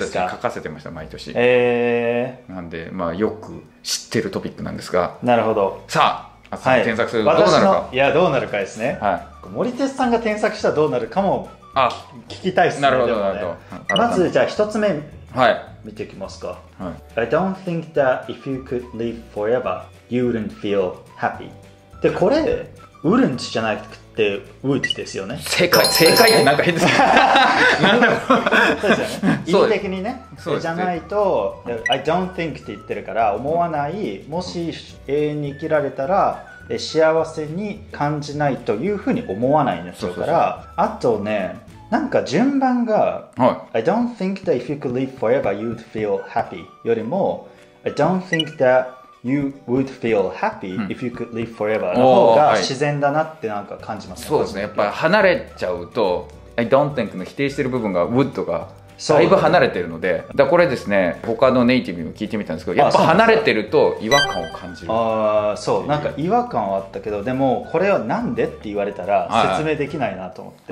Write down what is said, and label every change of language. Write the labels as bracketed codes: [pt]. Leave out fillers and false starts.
[ja] 浪人生たちに書かせてました、毎年。なんで、まあよく知ってるトピックなんですが。なるほど。さあ、はい、添削するとどうなるか。いや、どうなるかですね。はい、森哲さんが添削したらどうなるかも聞きたいですね。なるほど、なるほど。まずじゃあ一つ目、はい、見ていきますか。はい、 [en] I don't think that if you could live forever, you wouldn't feel happy. [ja] で、これ、wouldn't じゃなくて would ですよね。正解、正解ってなんか変ですね。なんだろう。そうですよね。意味的にね。そうじゃないと、 [en] I don't think [ja] って言ってるから思わない、もし永遠に生きられたら幸せに感じないというふうに思わないんですから。そうそうそう。あとね、なんか順番が、はい、 [en] I don't think that if you could live forever you'd feel happy [ja] よりも、 [en] I don't think that you would feel happy if you could live forever [ja] の方が自然だなってなんか感じますね。はい、そうですね、やっぱ離れちゃうと [en] I don't think [ja] の否定してる部分が would とかだいぶ離れてるので、だこれですね、他のネイティブにも聞いてみたんですけど、やっぱ離れてると違和感を感じる。ああ、そう、なんか違和感はあったけど、でもこれはなんでって言われたら説明できないなと思って。